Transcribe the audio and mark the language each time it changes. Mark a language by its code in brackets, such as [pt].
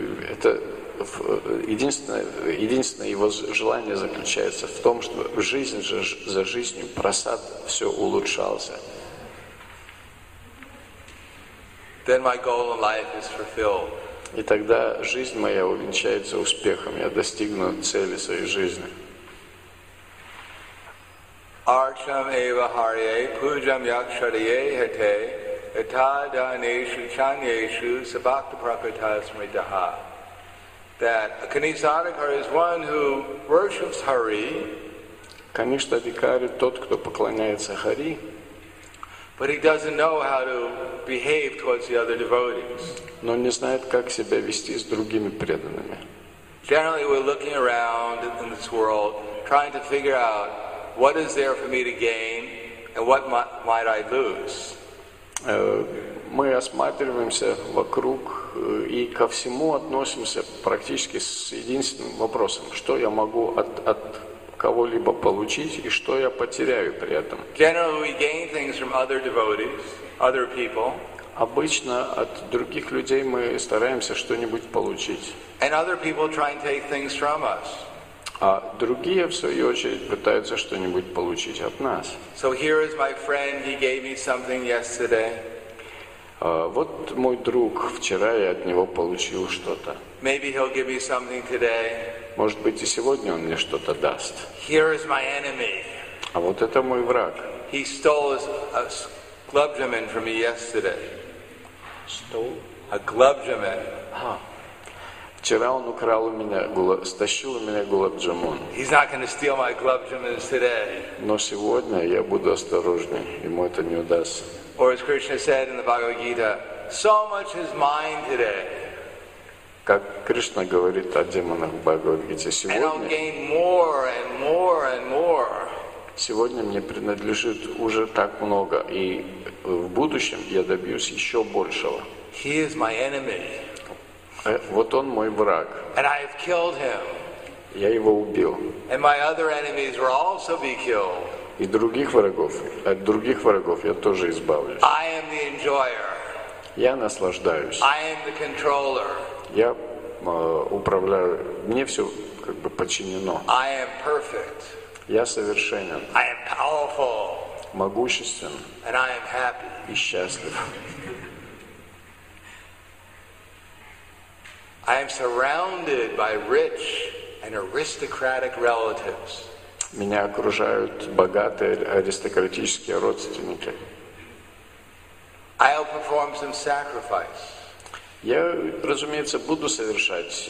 [ru] Это единственное его желание заключается в том, что жизнь за жизнью просад все улучшался. [en] Then my goal in life is fulfilled. [ru] И тогда жизнь моя увенчается успехом, я достигну цели своей жизни. [sa] Archam eva harye, pujam yakshariye hete, etha daneshu chanyeshu sabakta prakritasmridaha. [en] That a Kanishtha Adhikari is one who worships Hari. [ru] Kanishtha Adhikari – тот, кто поклоняется Хари. [en] But he doesn't know how to behave towards the other devotees. [ru] Но не знает, как себя вести с другими преданными. [en] Generally, we're looking around in this world, trying to figure out what is there for me to gain and what might I lose. [ru] Мы осматриваемся вокруг и ко всему относимся практически с единственным вопросом: что я могу от кого-либо получить и что я потеряю при этом. [en] Generally, we gain things from other devotees, other people. [ru] Обычно от других людей мы стараемся что-нибудь получить. [en] And other people try and take things from us. [ru] А другие, в свою очередь, пытаются что-нибудь получить от нас. [en] So here is my friend, he gave me something yesterday. [ru] Вот мой друг, вчера я от него получил что-то. [en] Maybe he'll give me something today. [ru] Может быть, и сегодня он мне что-то даст. [en] Here is my enemy. [ru] А вот это мой враг. [en] He stole a glubjaman from me yesterday. Stole? A glubjaman. [ru] Вчера он украл у меня, стащил у меня глобджамон. [en] He's not going to steal my glubjamans today. [ru] Но сегодня я буду осторожнее, ему это не удастся. [en] Or as Krishna said in the Bhagavad Gita, so much is mine today. [ru] Как Кришна говорит о демонах в Бхагавад Гите, сегодня. [en] And I'll gain more and more and more. [ru] Сегодня мне принадлежит уже так много, и в будущем я добьюсь еще большего. [en] He is my enemy. [ru] Вот он мой враг. [en] And I have killed him. [ru] Я его убил. [en] And my other enemies will also be killed. [ru] И других врагов, от других врагов я тоже избавлюсь. [en] I am the enjoyer. [ru] Я наслаждаюсь. [en] I am the controller. [ru] Я управляю, мне все как бы подчинено. [en] I am perfect. [ru] Я совершенен. [en] I am powerful. [ru] Могуществен. [en] And I am happy. [ru] И счастлив. [en] I am surrounded by rich and aristocratic relatives. [ru] Меня окружают богатые аристократические родственники. [en] I'll perform some sacrifice. [ru] Я, разумеется, буду совершать.